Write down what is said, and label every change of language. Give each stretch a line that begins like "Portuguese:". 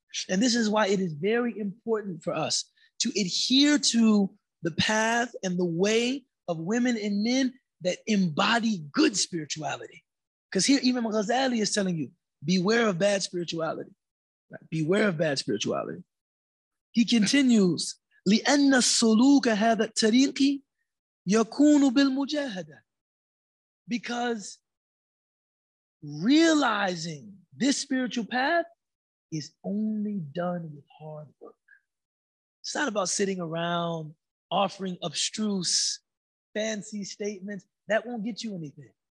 English: And this is why it is very important for us to adhere to the path and the way of women and men that embody good spirituality. Because here, Imam Ghazali is telling you, beware of bad spirituality. Right? Beware of bad spirituality.
Arabic: He continues, لِأَنَّ السُّلُوكَ هَذَا التَّرِيقِ يَكُونُ بِالْمُجَاهَدَةِ.
English: Because realizing this spiritual path is only done with hard work. It's not about sitting around offering abstruse, fancy statements, that won't get you anything.